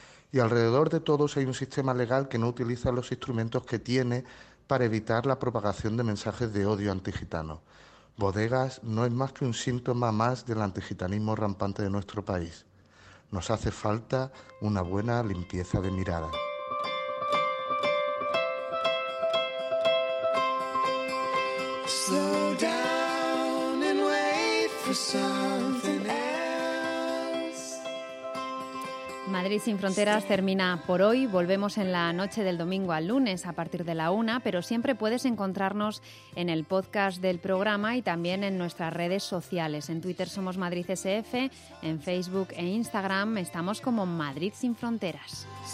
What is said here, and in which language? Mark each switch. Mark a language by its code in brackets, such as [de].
[es] Y alrededor de todos hay un sistema legal que no utiliza los instrumentos que tiene para evitar la propagación de mensajes de odio antigitano. Bodegas no es más que un síntoma más del antigitanismo rampante de nuestro país. Nos hace falta una buena limpieza de mirada. [en] Slow down and wait for something else. [es] Madrid sin Fronteras termina por hoy. Volvemos en la noche del domingo al lunes a partir de la una, pero siempre puedes encontrarnos en el podcast del programa y también en nuestras redes sociales. En Twitter somos Madrid SF, en Facebook e Instagram estamos como Madrid sin Fronteras.